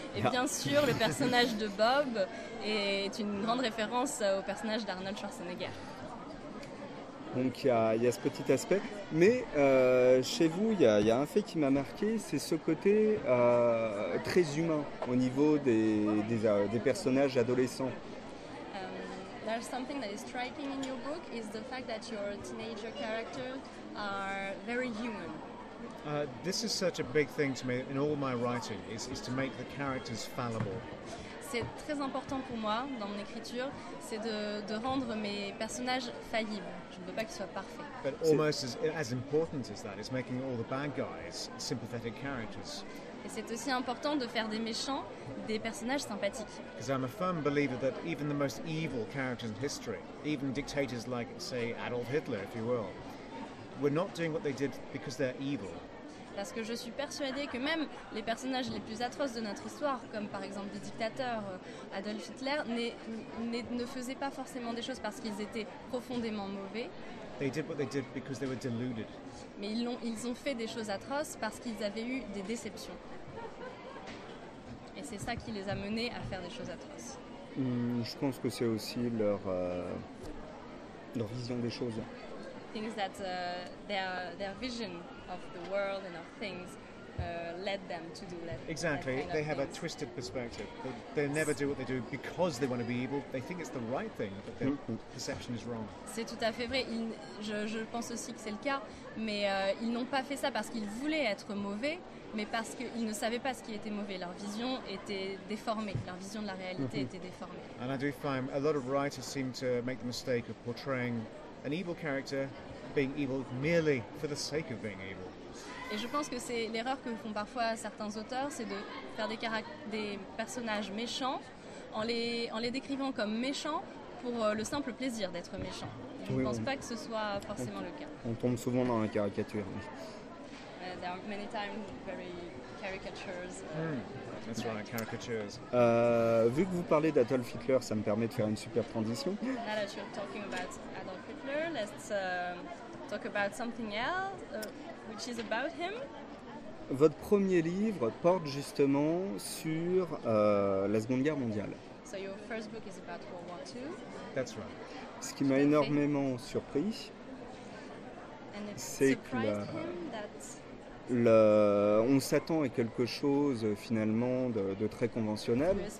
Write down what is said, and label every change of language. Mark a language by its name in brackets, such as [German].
[French] Et bien sûr, le personnage de Bob est une grande référence au personnage d'Arnold Schwarzenegger. Donc il y a ce petit aspect, mais chez vous il y a un fait qui m'a marqué, c'est ce côté très humain au niveau des personnages adolescents. [English] There's something that is striking in your book is the fact that your teenager characters are very human. This is such a big thing to me in all my writing is to make the characters fallible. [French] C'est très important pour moi dans mon écriture, c'est de rendre mes personnages faillibles. Je ne veux pas qu'ils soient parfaits. [English] But almost as important as that is making all the bad guys sympathetic characters. [French] Et c'est aussi important de faire des méchants des personnages sympathiques. [English] Because I'm a firm believer that even the most evil characters in history, even dictators like, say, Adolf Hitler, if you will, were not doing what they did because they're evil. [French] Parce que je suis persuadée que même les personnages les plus atroces de notre histoire, comme par exemple des dictateurs, Adolf Hitler, ne faisaient pas forcément des choses parce qu'ils étaient profondément mauvais. [English] They did what they did because they were deluded. [French] Mais ils ont fait des choses atroces parce qu'ils avaient eu des déceptions. Et c'est ça qui les a menés à faire des choses atroces. Je pense que c'est aussi leur vision des choses. [English] Things that their vision of the world and of things led them to do that. Exactly, that kind of they have things. A twisted perspective. They never do what they do because they want to be evil. They think it's the right thing, but their perception is wrong. [French] C'est tout à fait vrai. Je pense aussi que c'est le cas, mais ils n'ont pas fait ça parce qu'ils voulaient être mauvais, mais parce qu'ils ne savaient pas ce qui était mauvais. Leur vision était déformée. Leur vision de la réalité était déformée. [English] And I do find a lot of writers seem to make the mistake of portraying an evil character being evil merely for the sake of being evil. [French] Et je pense que c'est l'erreur que font parfois certains auteurs, c'est de faire des personnages méchants en les décrivant comme méchants pour le simple plaisir d'être méchant. Je ne pense pas que ce soit forcément le cas. On tombe souvent dans la caricature. [English] There are many times very caricatures. That's right, caricatures. [French] Vu que vous parlez d'Adolf Hitler, ça me permet de faire une super transition. [English] Now that you're talking about Adolf Hitler, let's talk about something else, which is about him. [French] Votre premier livre porte justement sur la Seconde Guerre mondiale. [English] So your first book is about World War II. That's right. [French] Ce qui m'a énormément surpris, c'est que on s'attend à quelque chose finalement de très conventionnel.